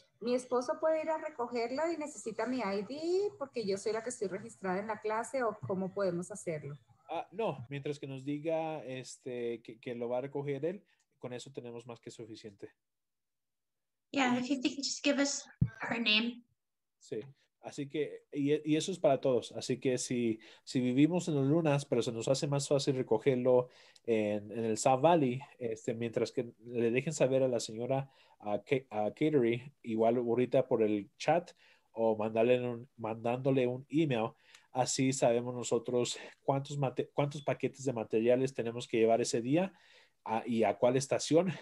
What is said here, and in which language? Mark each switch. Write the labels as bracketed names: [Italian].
[Spanish] Mi esposo puede ir a recogerla y necesita mi ID porque yo soy la que estoy registrada en la clase, ¿o cómo podemos hacerlo? No, mientras que nos diga que lo va a recoger él, con eso tenemos más que suficiente. [English] Yeah, if you think, just give us her name. [Spanish] Sí. Así que, y eso es para todos. Así que si vivimos en las Lunas, pero se nos hace más fácil recogerlo en el South Valley, mientras que le dejen saber a la señora Catery, igual ahorita por el chat o mandándole un email, así sabemos nosotros cuántos paquetes de materiales tenemos que llevar ese día y a cuál estación.